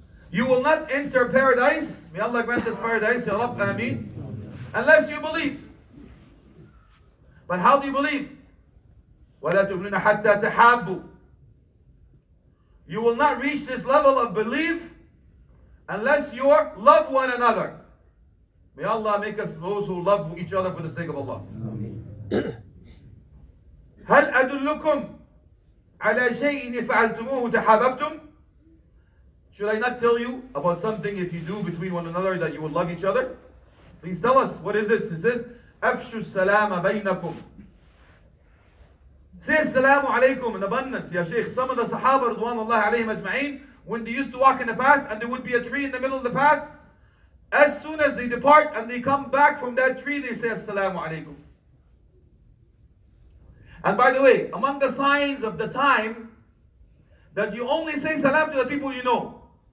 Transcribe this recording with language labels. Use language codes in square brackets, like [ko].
[en] You will not enter paradise, may Allah grant us paradise, ya Rabb, ameen, unless you believe. But how do you believe? [ar] ولا تؤمنون حتى تحابوا. [en] You will not reach this level of belief unless you love one another. May Allah make us those who love each other for the sake of Allah. [ar] هل أدلكم على شيء فعلتموه تحاببتم? [en] Should I not tell you about something if you do between one another that you will love each other? Please tell us, what is this? He says, [ar] أفشوا السلام بينكم. [en] Say assalamu alaykum in abundance, ya Shaykh. Some of the Sahaba, radwanullah alayhim ajma'een, when they used to walk in the path and there would be a tree in the middle of the path, as soon as they depart and they come back from that tree, they say assalamu alaykum. And by the way, among the signs of the time that you only say salam to the people you know.